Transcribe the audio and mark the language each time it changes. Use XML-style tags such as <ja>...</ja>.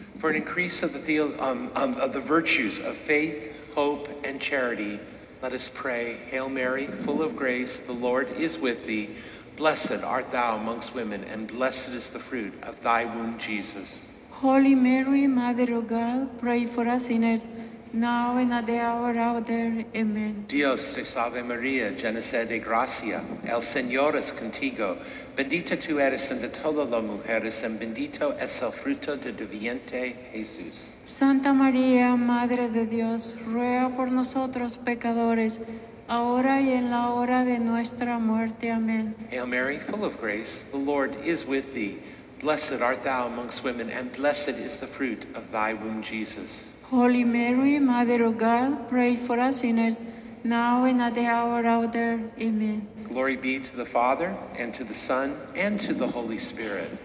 <en>For an increase of the virtues of faith, hope, and charity, let us pray, Hail Mary, full of grace, the Lord is with thee. Blessed art thou amongst women, and blessed is the fruit of thy womb, Jesus. Holy Mary, Mother of God, pray for us sinners, now and at the hour of our death. Amen.</en> <es>Dios te salve Maria, llena eres de gracia, el Señor es contigo. Bendita tú eres entre todas las mujeres, y bendito es el fruto de tu vientre, Jesús. Santa María, Madre de Dios, ruega por nosotros pecadores, ahora y en la hora de nuestra muerte. Amen.</es> <en>Hail Mary, full of grace, the Lord is with thee. Blessed art thou amongst women, and blessed is the fruit of thy womb, Jesus. Holy Mary, Mother of God, pray for us sinners, now and at the hour of our death. Amen. Glory be to the Father, and to the Son, and to the Holy Spirit.</en>